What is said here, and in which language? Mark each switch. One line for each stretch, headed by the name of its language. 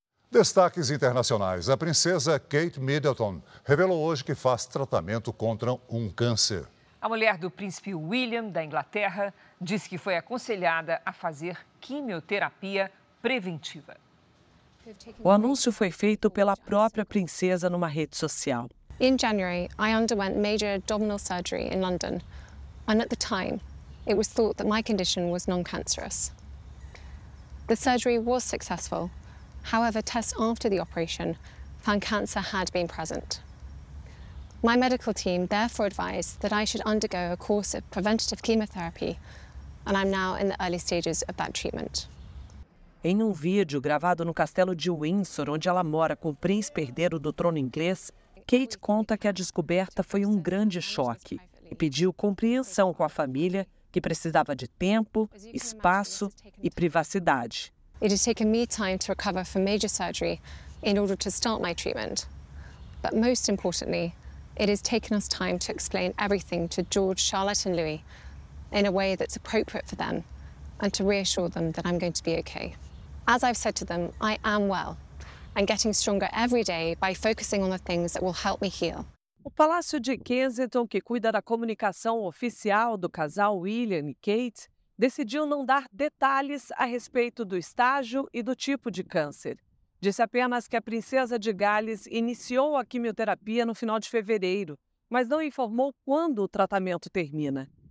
Portuguese: Destaques internacionais. A princesa Kate Middleton revelou hoje que faz tratamento contra um câncer. A mulher do príncipe William, da Inglaterra, disse que foi aconselhada a fazer quimioterapia preventiva. O anúncio foi feito pela própria princesa numa rede social.
English: In January, I underwent major abdominal surgery in London. And at the time, it was thought that my condition was non-cancerous. The surgery was successful. However, tests after the operation found cancer had been present. My medical team therefore advised that I should undergo a course of preventative chemotherapy, and I'm now in the early stages of that treatment.
Portuguese: Em um vídeo gravado no castelo de Windsor, onde ela mora com o príncipe herdeiro do trono inglês, Kate conta que a descoberta foi um grande choque e pediu compreensão com a família, que precisava de tempo, espaço e privacidade.
English: It has taken me time to recover from major surgery in order to start my treatment. But most importantly, it has taken us time to explain everything to George, Charlotte and Louis in a way that's appropriate for them and to reassure them that I'm going to be okay. As I've said to them, I am well and getting stronger every day by focusing on the things that will help me heal.
Portuguese: O Palácio de Kensington, que cuida da comunicação oficial do casal William e Kate, decidiu não dar detalhes a respeito do estágio e do tipo de câncer. Disse apenas que a princesa de Gales iniciou a quimioterapia no final de fevereiro, mas não informou quando o tratamento termina.